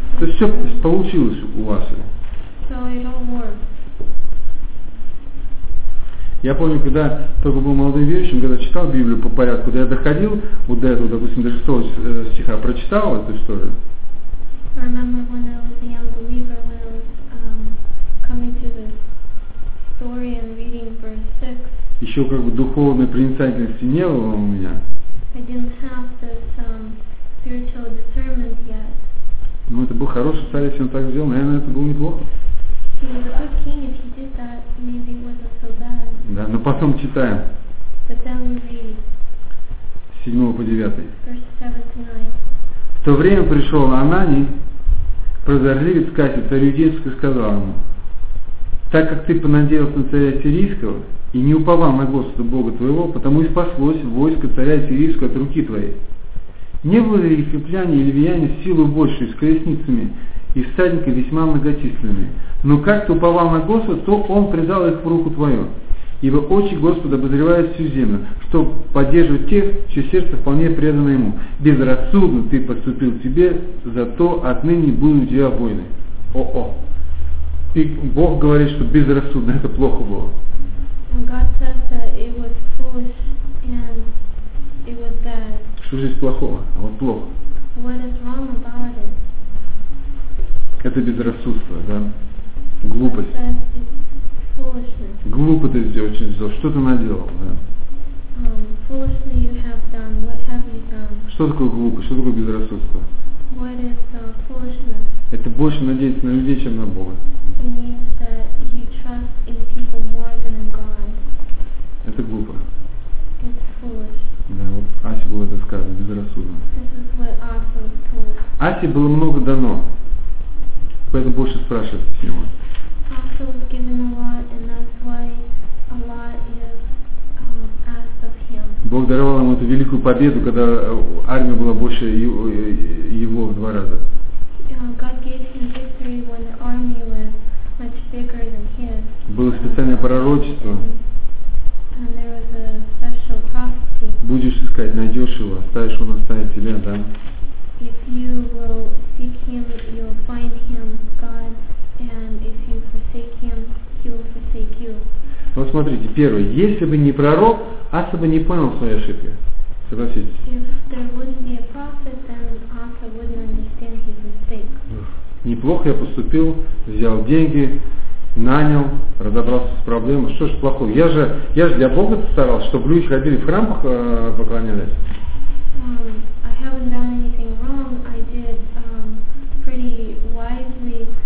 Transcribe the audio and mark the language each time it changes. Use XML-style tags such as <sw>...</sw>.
<ru>То есть все получилось у вас.</ru> <en>So it all worked.</en> <ru>Я помню, когда только был молодым верующим, когда читал Библию по порядку, когда я доходил вот до этого, допустим, до 6 стиха, прочитал эту историю.</ru> <en>I remember when I was a young believer, when I was coming to the story and reading verse 6.</en> <ru>Еще как бы духовной проницательности не было у меня.</ru> <en>I didn't have this spiritual discernment yet.</en> <ru>Ну, это был хороший царь, если он так сделал, наверное, это было неплохо.</ru> <en>He was a good king, if he did that, maybe it wasn't so bad.</en> <ru>Да, но потом читаем.</ru> <en>But then we read.</en> <ru>С 7 по 9.</ru> <en>Verse 7 to 9.</en> <ru>В то время пришел Анани, прозорливец Каси, царь иудейский, и сказал ему, так как ты понадеялся на царя сирийского, и не уповал на Господа Бога твоего, потому и спаслось войско царя сирийского от руки твоей. Не было ли египтяне и ливияне силы большей с колесницами и всадниками весьма многочисленными? Но как ты уповал на Господа, то он предал их в руку твою. Ибо очи Господа обозревают всю землю, чтобы поддерживать тех, чье сердце вполне предано ему. Безрассудно ты поступил тебе, зато отныне будут у тебя войны. О-о! И Бог говорит, что безрассудно, это плохо было.</ru> <en>And God says that it was foolish and it was bad.</en> <ru>Что здесь плохого? А вот плохо.</ru> <en>What is wrong about it?</en> <ru>Это безрассудство, да? Глупость.</ru> <en>God says it's foolishness.</en> <ru>Глупо ты здесь очень сделал. Что ты наделал, да?</ru> <en>Foolishly you have done. What have you done?</en> <ru>Что такое глупость? Что такое безрассудство?</ru> <en>What is foolishness?</en> <ru>Это больше надеяться на людей, чем на Бога.</ru> <en>It means that you trust in people more than in God.</en> <ru>Это глупо.</ru> <en>It's foolish.</en> <ru>Да, вот Асе было это сказано, безрассудно.</ru> <en>This is what Asa was told.</en> <ru>Асе было много дано, поэтому больше спрашивать с него.</ru> <en>Asa was given a lot, and that's why a lot is asked of him.</en> <ru>Бог даровал ему эту великую победу, когда армия была больше его в два раза.</ru> <en>God gave him victory when the army was much bigger than his.</en> <ru>Было специальное пророчество.</ru> <en>And there was a special prophecy.</en> <ru>Будешь искать, найдешь его, оставишь, он оставит тебя, да?</ru> <en>If you will seek him, you'll find him, God, and if you forsake him, he will forsake you.</en> <ru>Вот смотрите, первое, если бы не пророк, Аса бы не понял свои ошибки. Согласитесь.</ru> <en>If there wouldn't be a prophet, then Asa wouldn't understand his mistake.</en> <ru>Неплохо я поступил, взял деньги, нанял, разобрался с проблемой. Что ж плохого? Я же для Бога старался, чтобы люди ходили в храм поклонялись.</ru> <en>I haven't done anything wrong. I did pretty wisely.</en>